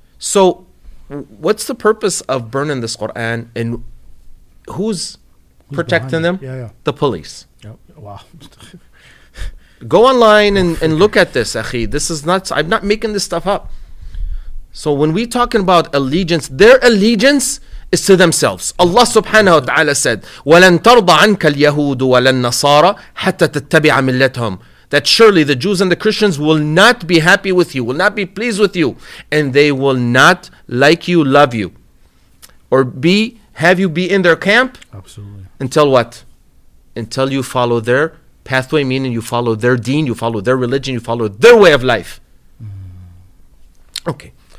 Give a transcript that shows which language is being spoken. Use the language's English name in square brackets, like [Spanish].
[English] So what's the purpose of burning this Quran, and who's protecting them? Yeah. The police. Yep. Wow. Go online and look at this, Akhi. This is nuts. I'm not making this stuff up. So when we're talking about allegiance, their allegiance is to themselves. Allah subhanahu wa ta'ala said, [Arabic] وَلَن تَرْضَ عَنْكَ الْيَهُودُ وَلَن نَصَارَ حَتَّى تَتَّبِعَ مِلَّتْهُمْ. [English] That surely the Jews and the Christians will not be happy with you, will not be pleased with you, and they will not like you, love you, or be have you be in their camp. Absolutely. Until what? Until you follow their pathway, meaning you follow their deen, you follow their religion, you follow their way of life. Okay.